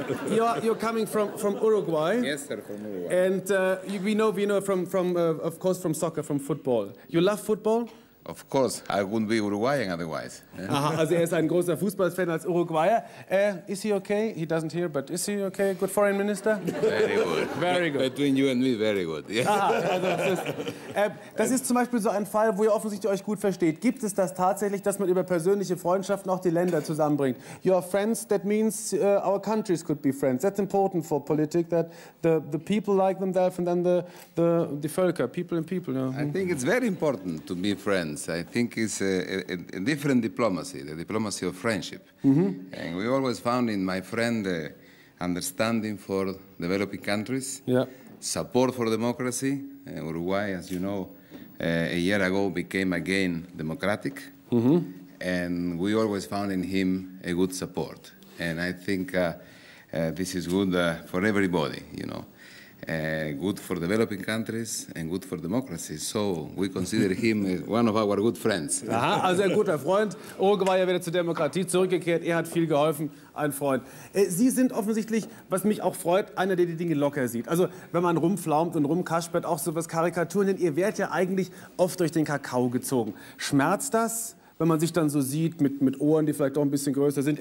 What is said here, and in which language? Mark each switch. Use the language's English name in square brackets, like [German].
[English] You're coming from Uruguay. Yes, sir, from Uruguay. And we know from of course from soccer, from football. You love football? Of course, I wouldn't be Uruguayan otherwise. [German] Aha, also er ist ein großer Fußballfan als Uruguayer. [English] Is he okay? He doesn't hear, but is he okay? Good foreign minister? Very good. Very good. Between you and me, very good. Yeah. [German] Aha, also das ist zum Beispiel so ein Fall, wo ihr offensichtlich euch gut versteht. Gibt es das tatsächlich, dass man über persönliche Freundschaften auch die Länder zusammenbringt? [English] You are friends, that means our countries could be friends. That's important for politics, that the people like themselves and then the Völker, people and people. You know? I think it's very important to be friends. I think it's a different diplomacy, the diplomacy of friendship. Mm-hmm. And we always found in my friend understanding for developing countries, yeah. Support for democracy. Uruguay, as you know, a year ago became again democratic. Mm-hmm. And we always found in him a good support. And I think this is good for everybody, you know. Good for developing countries and good for democracy. So we consider him one of our good friends. [German] Aha, also ein guter Freund. Uruguay ist wieder zur Demokratie zurückgekehrt. Er hat viel geholfen, ein Freund. Sie sind offensichtlich, was mich auch freut, einer, der die Dinge locker sieht. Also wenn man rumflaumt und rumkaspert, auch sowas Karikaturen, denn ihr werdet ja eigentlich oft durch den Kakao gezogen. Schmerzt das, wenn man sich dann so sieht mit Ohren, die vielleicht auch ein bisschen größer sind?